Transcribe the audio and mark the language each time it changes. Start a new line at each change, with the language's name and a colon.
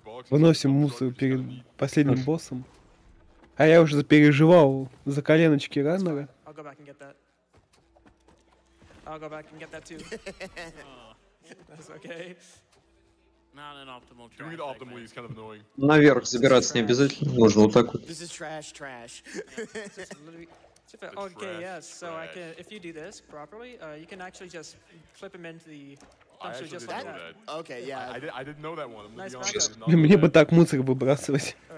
Russian: Выносим мусор перед последним боссом. А я уже переживал за коленочки Раннера.
English: I'll go back and get that too. That's okay. Not an optimal track. Doing it optimally is kind of annoying.
Russian: Наверх забираться не обязательно, можно вот так вот.
English: This is trash, trash. Okay, yes. So I can, if you do this properly, you can actually just clip him into the. I
Russian: мне бы так мусор выбрасывать.